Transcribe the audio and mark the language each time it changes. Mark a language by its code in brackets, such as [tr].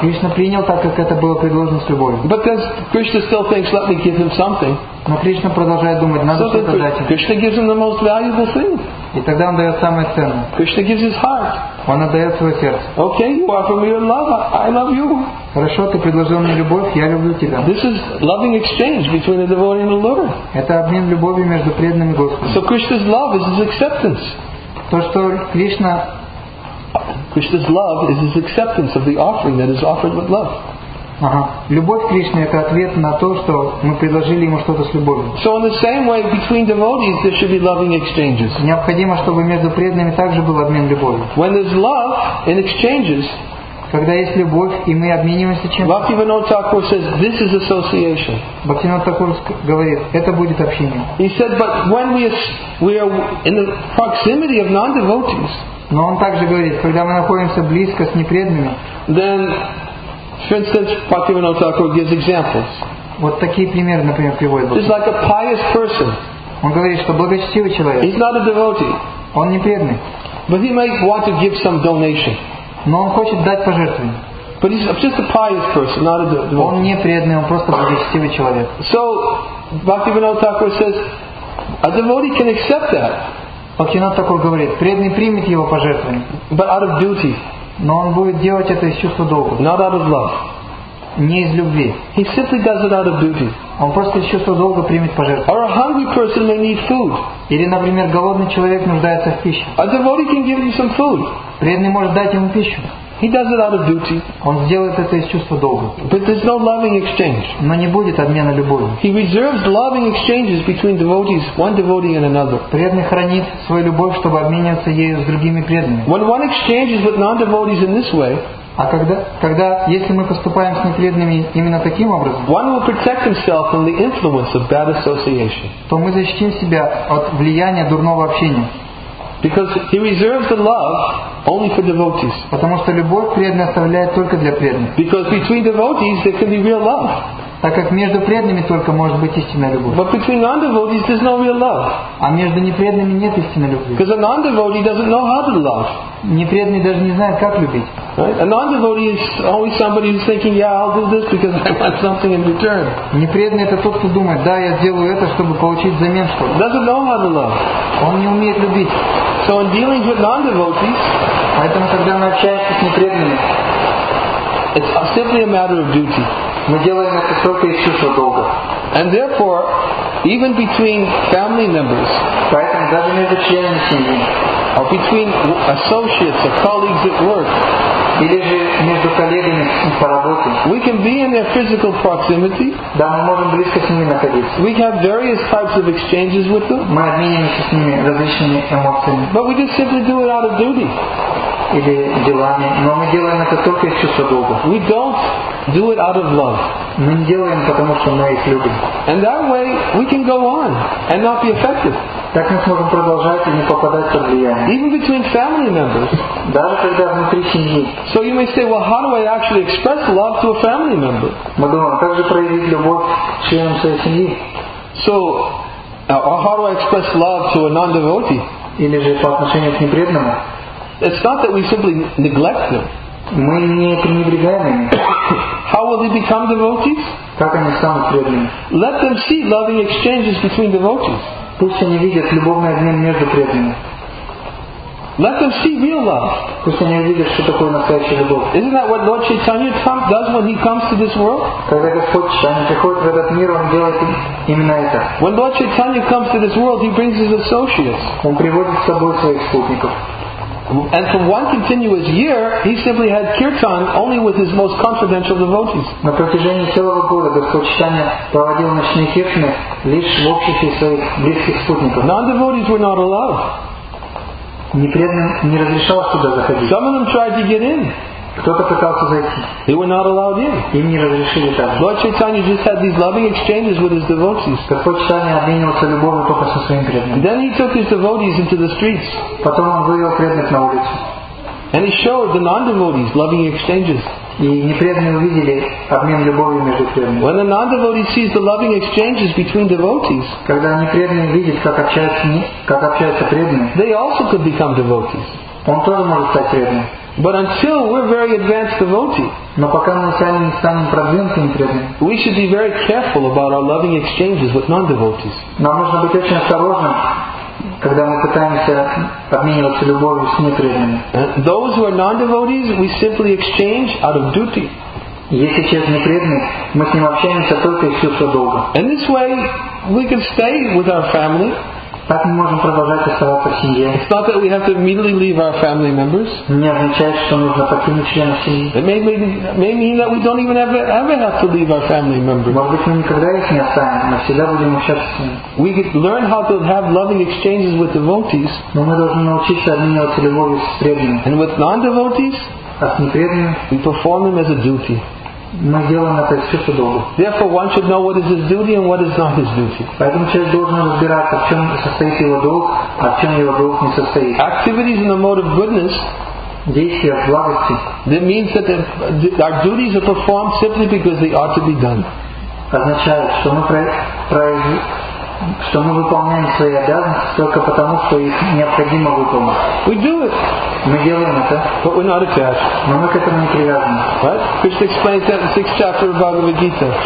[ru] Кришна принял так, как это было предложено с любовью. [en] But then Krishna still thinks, let me give him something. [ru] Но Кришна продолжает думать, надо что-то дать ему. [en] Krishna gives him the most valuable thing. [ru] И тогда он дает самое ценное. [en] Krishna gives his heart. [ru] Он отдает свое сердце. [en] Okay, you offer me your love. I love you. [ru] Хорошо, ты предложил мне любовь, я люблю тебя. [en] This is loving exchange between a devotee and the Lord. [ru] Это обмен любовью между преданным и Господом. [en] So Krishna's love is his acceptance. [ru] То, что Кришна, [en] Krishna's love is his acceptance of the offering that is offered with love. Ага. [ru] Любовь Кришны это ответ на то, что мы предложили ему что-то с любовью. [en] So in the same way between devotees there should be loving exchanges. [ru] Необходимо, чтобы между преданными также был обмен любовью. [en] When there's love in exchanges, [ru] когда есть любовь и мы обмениваемся чем-то. [en] Bhaktivinoda Thakur says this is association. [ru] Bhaktivinoda Thakur говорит, это будет общение. [en] He said, but when we are in the proximity of non-devotees. [ru] Но он также говорит, когда мы находимся близко с непреданными. [en] Then, for instance, Bhaktivinoda Thakur gives examples. [ru] Вот такие примеры, например, приводит. [en] He's like a pious person. [ru] Он говорит, что благочестивый человек. [en] He's not a devotee. [ru] Он непреданный. [en] But he might want to give some donation. [ru] Но он хочет дать пожертвование. [en] But he's just a pious person, not a devotee. [ru] Он не преданный, он просто благочестивый человек. [en] So, Bhaktivinoda Thakur says, a devotee can accept that. [ru] Bhaktivinoda Thakur говорит, преданный примет его пожертвование. [en] But out of duty. [ru] Но он будет делать это из чувства долга. [en] Not out of love. [ru] Не из любви. [en] He simply does it out of duty. [ru] Он просто из чувства долга примет пожертвование. [en] Or a hungry person may need food. [ru] Или, например, голодный человек нуждается в пище. [en] A devotee can give you some food. [ru] Преданный может дать ему пищу. [en] He does it out of duty. [ru] Он сделает это из чувства долга. [en] But there's no loving exchange. [ru] Но не будет обмена любовью. [en] He reserves loving exchanges between devotees, one devotee and another. [ru] Преданный хранит свою любовь, чтобы обмениваться ею с другими преданными. [en] When one exchanges with non-devotees in this way, [ru] а когда если мы поступаем с непреданными именно таким образом, [en] one will protect himself from the influence of bad association. [ru] То мы защитим себя от влияния дурного общения. [en] Because he reserves the love only for devotees. [ru] Потому что любовь преданный оставляет только для преданных. [en] Because between devotees there can be real love. [ru] Так как между преданными только может быть истинная любовь. [en] But between non-devotees there's no real love. [ru] А между непреданными нет истинной любви. [en] Because a non-devotee doesn't know how to love. [ru] Непреданный даже не знает, как любить. [en] Right? A non-devotee is always somebody who's thinking, yeah, I'll do this because I want something in return. [ru] Непреданный это тот, кто думает, да, я сделаю это, чтобы получить взамен что-то. [en] Doesn't know how to love. [ru] Он не умеет любить. [en] So in dealing with non-devotees, [ru] поэтому когда мы общаемся с непреданными, [en] it's simply a matter of duty. [ru] Мы делаем это только из чувства долга. [en] And therefore, even between family members, [ru] поэтому даже между членами семьи, [en] or between associates or colleagues at work, [ru] или же между коллегами по работе, [en] we can be in their physical proximity. [ru] Да, мы можем близко с ними находиться. [en] We have various types of exchanges with them. [ru] Мы обмениваемся с ними различными эмоциями. [en] But we just simply do it out of duty. [ru] Или делами. Но мы делаем это только из чувства долга. [en] We don't do it out of love. [ru] Мы не делаем, потому что мы их любим. [en] And that way we can go on and not be affected. [ru] Так мы сможем продолжать и не попадать под влияние. [en] Even between family members. [ru] Даже когда внутри семьи. [en] So you may say, well, how do I actually express love to a family member? [ru] Мы думаем, как же проявить любовь членам своей семьи? [en] So, or how do I express love to a non-devotee? [ru] Или же по отношению к непреданному? [en] It's not that we simply neglect them. [ru] Мы не пренебрегаем ими. [en] How will they become devotees? [ru] Как они станут преданными? [en] Let them see loving exchanges between devotees. [ru] Пусть они видят любовный обмен между преданными. [en] Let them see real love. [ru] Пусть они видят, что такое настоящая любовь. [en] Isn't that what Lord Chaitanya does when he comes to this world? [ru] Когда Господь Чайтанья приходит в этот мир, он делает именно это. [en] When Lord Chaitanya comes to this world, he brings his associates. [ru] Он приводит с собой своих спутников. [en] And for one continuous year, he simply had kirtan only with his most confidential devotees. [ru] На протяжении целого года Господь Чайтанья проводил ночные киртаны лишь в обществе своих близких спутников. [en] Non-devotees were not allowed. [ru] Не разрешалось туда заходить. [en] Some of them tried to get in. [ru] Кто-то пытался зайти. [en] They were not allowed in. [ru] Им не разрешили там. [en] Lord Chaitanya just had these loving exchanges with his devotees. [ru] Господь Чайтанья обменивался любовью только со своими преданными. [en] Then he took his devotees into the streets. [ru] Потом он вывел преданных на улицу. [en] And he showed the non-devotees loving exchanges. [ru] И непреданные увидели обмен любовью между преданными. [en] When the non-devotee sees the loving exchanges between devotees, [ru] когда непреданные видят, как общаются преданные, [en] they also could become devotees. [ru] Он тоже может стать преданным. [en] But until we're very advanced devotee, [ru] но пока мы сами не станем продвинутыми преданными, [en] we should be very careful about our loving exchanges with non-devotees. [ru] Нам нужно быть очень осторожным, когда мы пытаемся обмениваться любовью с непреданными. [en] Those who are non-devotees, we simply exchange out of duty. [ru] Если человек непреданный, мы с ним общаемся только из чувства долга. [en] In this way, we can stay with our family. [ru] Так мы можем продолжать оставаться в семье. [en] It's not that we have to immediately leave our family members. [ru] Не означает, что нужно покинуть членов семьи. [en] It may mean that we don't even ever have to leave our family members. [ru] Может быть, мы никогда их не оставим, мы всегда будем общаться с ними. [en] We could learn how to have loving exchanges with devotees. [ru] Но мы должны научиться обмениваться любовью с преданными. [en] And with non-devotees, [ru] а с непреданными, [en] we perform them as a duty. [ru] Мы делаем это из чувства долга. [en] Therefore, one should know what is his duty and what is not his duty. [ru] Поэтому человек должен разбираться, в чем состоит его долг, а в чем его долг не состоит. [en] Activities in the mode of goodness, [ru] действия в благости, [en] that means that our duties are performed simply because they ought to be done. [ru] Означает, что мы выполняем свои обязанности только потому, что их необходимо выполнить. [en] We do it. [ru] Мы делаем это. [en] But we're not attached. [ru] Но мы к этому не привязаны. [en] What? Krishna explains that in the 6th chapter of Bhagavad Gita.